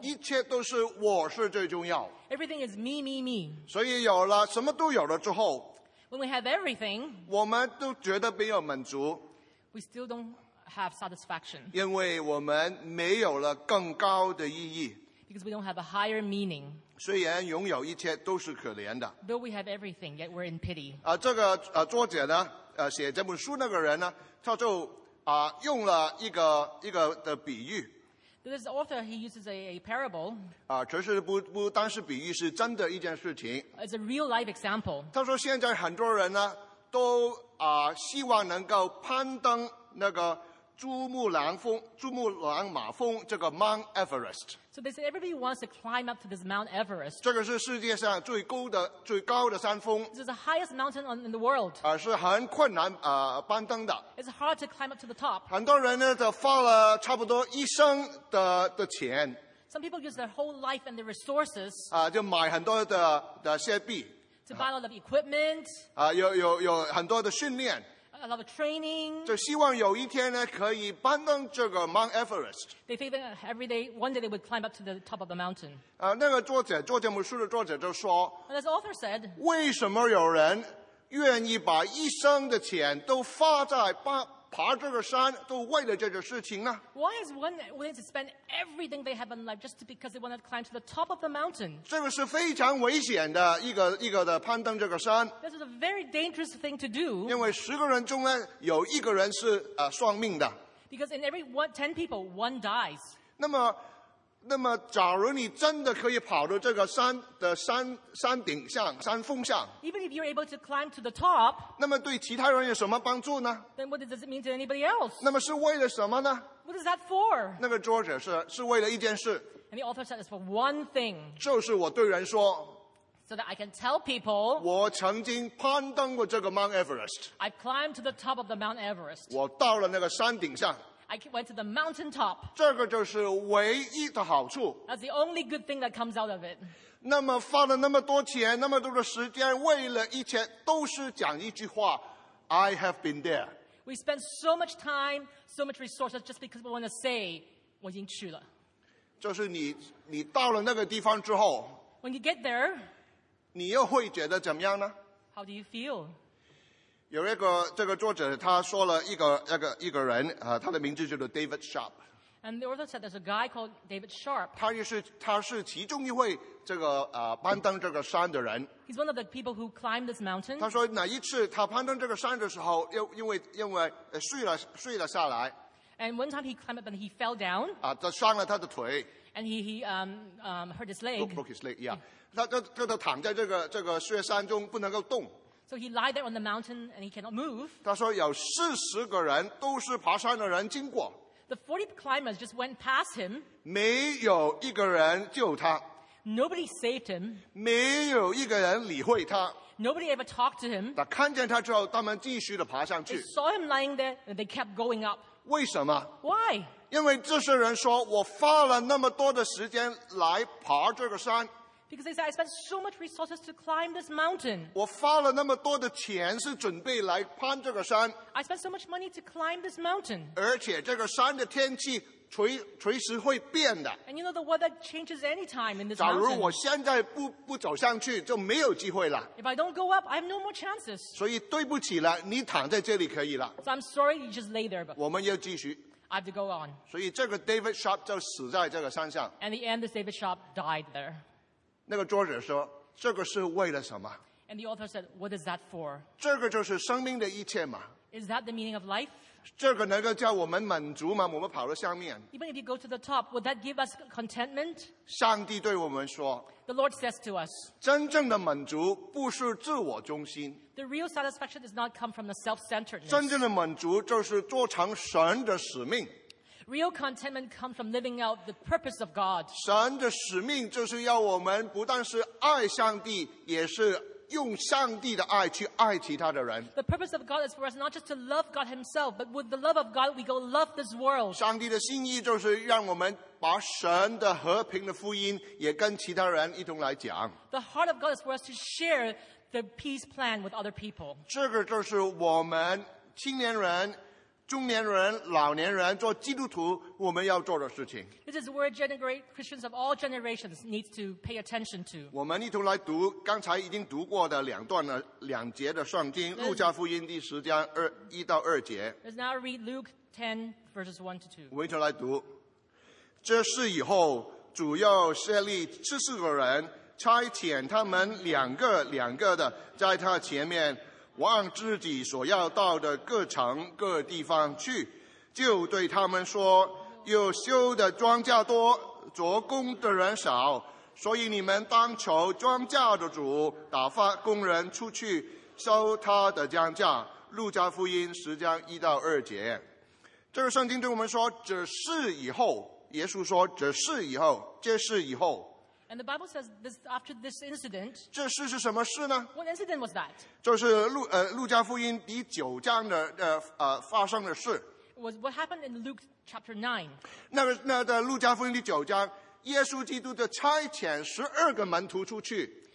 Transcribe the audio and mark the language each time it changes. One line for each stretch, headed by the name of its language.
Chinese: 一切都是我是最重要。
English: Everything is me, me, me.
Chinese: 所以有了什么都有了之后
English: ，When we have everything,
Chinese: 我们都觉得没有满足。
English: We still don't have satisfaction.
Chinese: 因为我们没有了更高的意义。
English: Because we don't have a higher meaning.
Chinese: 虽然拥有一切都是可怜的。
English: Though we have everything, yet we're in pity.
Chinese: 这个作者呢，写这本书那个人呢，他就。用了一个的比喻。
English: This author, he uses a parable.
Chinese: 其实不单是比喻，是真的一件事情。
English: It's a real life example.
Chinese: 他说现在很多人呢，都希望能够攀登那个珠穆朗玛峰这个 Mount Everest.
English: So they say everybody wants to climb up to this Mount Everest.
Chinese: 这个是世界上最高的山峰。
English: This is the highest mountain in the world.
Chinese: 是很困难攀登的。
English: It's hard to climb up to the top.
Chinese: 很多人呢都花了差不多一生的钱。
English: Some people use their whole life and their resources.
Chinese: 就买很多的设备。
English: To buy a lot of equipment.
Chinese: 有很多的训练。
English: A lot of training.
Chinese: 就希望有一天呢，可以攀登这个 Mount Everest.
English: They think that every day, one day they would climb up to the top of the mountain.
Chinese: 那个作者，作这本书的作者就说
English: ，And as author said,
Chinese: 为什么有人愿意把一生的钱都花在爬这个山，都为了这件事情呢
English: ？Why is one willing to spend everything they have in life just because they want to climb to the top of the mountain？
Chinese: 这个是非常危险的一个的攀登这个山。
English: This is a very dangerous thing to do。
Chinese: 因为十个人中呢，有一个人是丧命的。
English: Because in every 10 people, one dies.
Chinese: 那么假如你真的可以跑到这个山的山顶上、山峰上，
English: even if you're able to climb to the top,
Chinese: 那么对其他人有什么帮助呢？
English: Then what does it mean to anybody else?
Chinese: 那么是为了什么呢？
English: What is that for?
Chinese: 那个作者是为了一件事。
English: And the author said it's for one thing.
Chinese: 就是我对人说，
English: so that I can tell people,
Chinese: 我曾经攀登过这个 Mount Everest.
English: I climbed to the top of the Mount Everest.
Chinese: 我到了那个山顶上。
English: I went to the mountaintop.
Chinese: 这个就是唯一的好处。
English: That's the only good thing that comes out of it.
Chinese: 那么花了那么多钱，那么多的时间，为了一切，都是讲一句话，
English: I have been there. We spend so much time, so much resources just because we want to say,
Chinese: 我已经去了。就是你到了那个地方之后，
English: When you get there,
Chinese: 你又会觉得怎么样呢？
English: How do you feel?
Chinese: 有一个这个作者他说了一个人、他的名字叫做 David Sharp.
English: And the author said there's a guy called David Sharp.
Chinese: 他是其中一位这个、攀登这个山的人。
English: He's one of the people who climbed this mountain.
Chinese: 他说哪一次他攀登这个山的时候，因为睡了下来。
English: And one time he climbed up and he fell down.
Chinese: 他伤了他的腿。
English: And he hurt his leg. Broke his leg, yeah.
Chinese: 他躺在这个雪山中不能够动。
English: So he lied there on the mountain and he cannot move.
Chinese: 他说有四十个人都是爬山的人经过。
English: The 40 climbers just went past him.
Chinese: 没有一个人救他。
English: Nobody saved him.
Chinese: 没有一个人理会他。
English: Nobody ever talked to him.
Chinese: 他看见他之后，他们继续的爬上去。
English: They saw him lying there and they kept going up.
Chinese: 为什么？
English: Why?
Chinese: 因为这些人说，我花了那么多的时间来爬这个山。
English: Because they said, I spent so much resources to climb this mountain.
Chinese: 我花了那么多的钱是准备来攀这个山。
English: I spent so much money to climb this mountain.
Chinese: 而且这个山的天气随时会变的。
English: And you know the weather changes anytime in this mountain.
Chinese: 假如我现在不走上去，就没有机会了。
English: If I don't go up, I have no more chances.
Chinese: 所以对不起了，你躺在这里可以了。
English: So I'm sorry, you just lay there. But
Chinese: 我们要继续。
English: I have to go on.
Chinese: 所以这个 David Sharp 就死在这个山上。
English: And the end, this David Sharp died there.
Chinese: 那个作者说，这个是为了什么？
English: And the author said, what is that for?
Chinese: 这个就是生命的一切嘛。
English: Is that the meaning of life?
Chinese: 这个能够叫我们满足吗？我们跑到下面。
English: Even if you go to the top, would that give us contentment?
Chinese: 上帝对我们说，
English: The Lord says to us,
Chinese: 真正的满足不是自我中心。
English: The real satisfaction does not come from the self-centeredness.
Chinese: 真正的满足就是做成神的使命。
English: Real contentment comes from living out the purpose of God.
Chinese: 神的使命就是要我们不但是爱上帝，也是用上帝的爱去爱其他的人。
English: The purpose of God is for us not just to love God Himself, but with the love of God, we go love this world.
Chinese: 上帝的心意就是让我们把神的和平的福音也跟其他人一同来讲。
English: The heart of God is for us to share the peace plan with other people.
Chinese: 这个就是我们青年人中年人、老年人做基督徒，我们要做的事情。
English: This is where Christians of all generations need to pay attention to.
Chinese: 我们一同来读刚才已经读过的两节的圣经，《路加福音》第十章一到二节。
English: Let's now read Luke 10 verses 1 to 2.
Chinese: 我们一同来读。这事以后，主要设立七十个人，差遣他们两个两个的在他前面。往自己所要到的各城各地方去，就对他们说，有修的庄稼多，做工的人少，所以你们当求庄稼的主打发工人出去收他的庄稼。路加福音十章一到二节。这个圣经对我们说，这事以后，耶稣说，这事以后，这事以后。
English: And the Bible says this after this incident.
Chinese: 这事是什么事呢？
English: What incident was that?
Chinese: 就是路加福音第九章的发生的事。
English: Was what happened in Luke chapter 9?
Chinese: 那在路加福音第九章，耶稣基督的差遣十二个门徒出去。